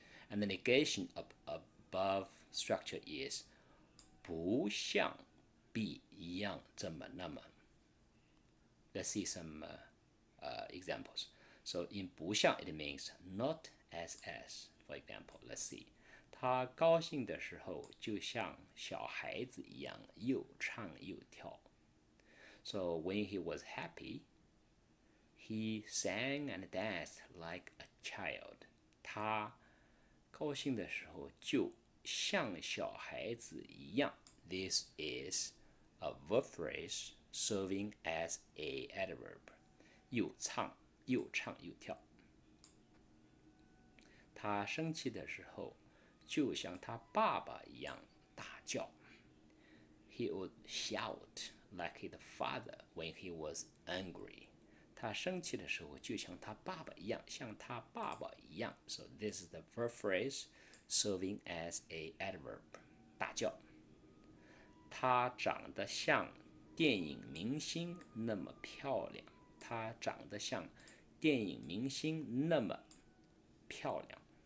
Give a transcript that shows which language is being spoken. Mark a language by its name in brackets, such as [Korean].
[English] And the negation of above structure is [Chinese] 不像 B 一样这么那么 [English] Let's see some examples. So in 不像 it means not as as. For example, let's see. [Chinese] 他高兴的时候就像小孩子一样又唱又跳。 [English] So when he was happy, he sang and danced like a child. [Chinese] 他高兴的时候就像小孩子一样。 [English] This is a verb phrase. Serving as an adverb. [Chinese] 又唱又唱又跳。他生气的时候就像他爸爸一样大叫。 [English] He would shout like his father when he was angry. [Chinese] 他生气的时候就像他爸爸一样像他爸爸一样。 [English] So this is the verb phrase serving as an adverb. [Chinese] 大叫。他长得像电影明星那么漂亮，她长得像电影明星那么漂亮。